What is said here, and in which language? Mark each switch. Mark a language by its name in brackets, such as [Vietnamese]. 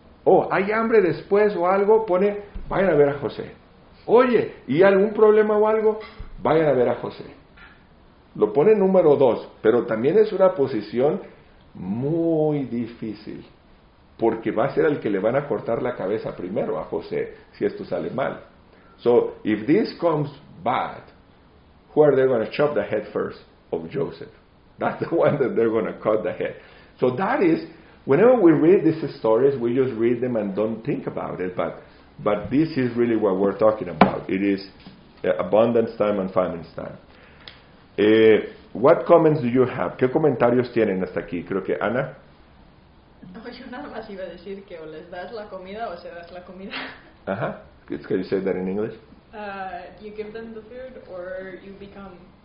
[Spanish] Oh, hay hambre después o algo, pone, vayan a ver a José. Oye, ¿y algún problema o algo? Vayan a ver a José. Lo pone número dos, pero también es una posición muy difícil, porque va a ser el que le van a cortar la cabeza primero a José, si esto sale mal. [English] So, if this comes bad, who are they going to chop the head first? Of Joseph. That's the one that they're going to cut the head. So that is... Whenever we read these stories, we just read them and don't think about it. But this is really what we're talking about. It is abundance time and famine time. What comments do you have? [Spanish] ¿Qué comentarios tienen hasta aquí? Creo que Ana. No, yo nada más iba a decir que o les das la comida o se das la comida. [English] Ajá. Uh-huh. Can you say that in English? You give them the food or you become...